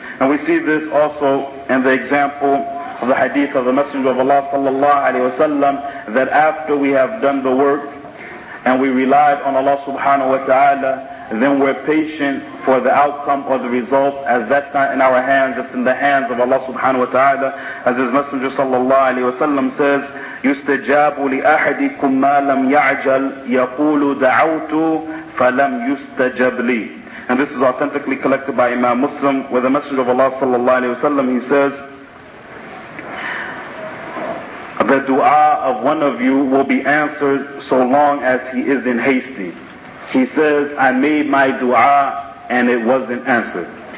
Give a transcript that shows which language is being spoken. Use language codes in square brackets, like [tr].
[en] And we see this also in the example of the hadith of the Messenger of Allah sallallahu alayhi wasallam, that after we have done the work and we relied on Allah subhanahu wa ta'ala, then we're patient for the outcome or the results, as that's not in our hands, it's in the hands of Allah subhanahu wa ta'ala. As His Messenger sallallahu alayhi wasallam says, [ar] يُسْتَجَابُ لِأَحَدِكُمْ مَا لَمْ يَعْجَلْ يَقُولُ دَعَوْتُ فَلَمْ يُسْتَجَبْ لِي. [en] And this is authentically collected by Imam Muslim, where the Messenger of Allah sallallahu alayhi wasallam, he says, the dua of one of you will be answered so long as he is in hasty. He says, I made my dua and it wasn't answered.